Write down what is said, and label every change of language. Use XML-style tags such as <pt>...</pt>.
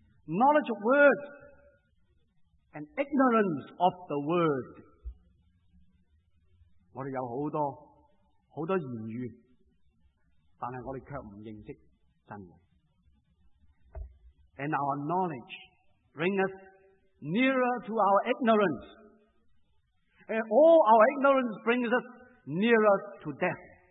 <en>Knowledge of words, and ignorance of the word.</en> <zh>我们有很多很多言语，但是我们却不认识真理。</zh> <en>And our knowledge brings us nearer to our ignorance. And all our ignorance brings us nearer to death.</en>